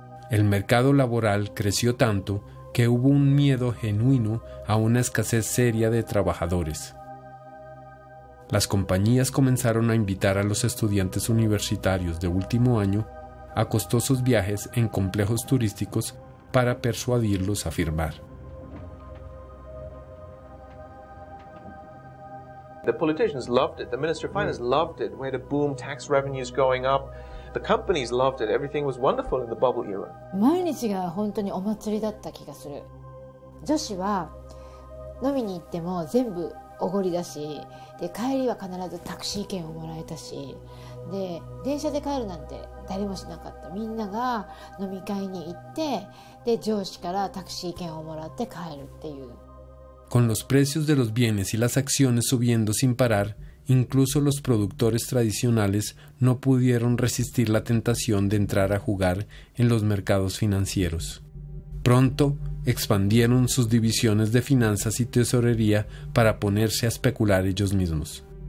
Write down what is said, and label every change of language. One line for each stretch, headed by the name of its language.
Spanish: El mercado laboral creció tanto que hubo un miedo genuino a una escasez seria de trabajadores. Las compañías comenzaron a invitar a los estudiantes universitarios de último año a costosos viajes en complejos turísticos para persuadirlos a firmar.
English: The politicians loved it. The Minister of Finance loved it. We had a boom, tax revenues going up. The companies loved it. Everything was wonderful in the bubble era.
Japanese: 毎日が本当にお祭りだった気がする。女子は飲みに行っても全部おごりだし、で帰りは必ずタクシー券をもらえたし、で電車で帰るなんて誰もしなかった。みんなが飲み会に行って、で上司からタクシー券をもらって帰るっていう。
Spanish: Con los precios de los bienes y las acciones subiendo sin parar, incluso los productores tradicionales no pudieron resistir la tentación de entrar a jugar en los mercados financieros. Pronto expandieron sus divisiones de finanzas y tesorería para ponerse a especular ellos mismos.